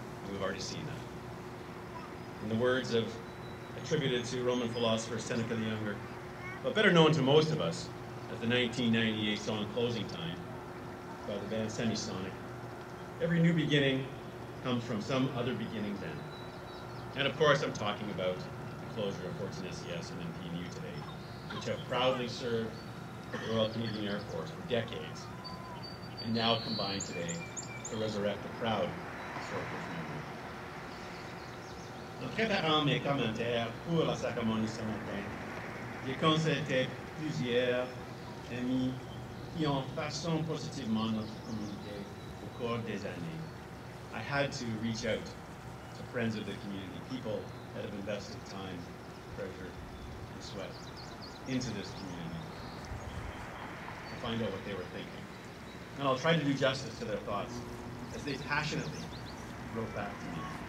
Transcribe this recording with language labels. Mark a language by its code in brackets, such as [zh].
[en] We've already seen that. In the words of attributed to Roman philosopher Seneca the Younger, but better known to most of us as the 1998 song Closing Time by the band Semisonic, every new beginning comes from some other beginning then. And of course, I'm talking about the closure of Fortin SES and MPNU today, which have proudly served the Royal Canadian Air Force for decades, and now combine today to resurrect the proud historical memory. [fr] Nos préparons mes commentaires pour la cérémonie ce matin. J'ai consulté plusieurs amis qui ont façonné positivement notre communauté au cours des années. [en] I had to reach out to friends of the community, people that have invested time, treasure, and sweat into this community to find out what they were thinking. And I'll try to do justice to their thoughts as they passionately wrote back to me.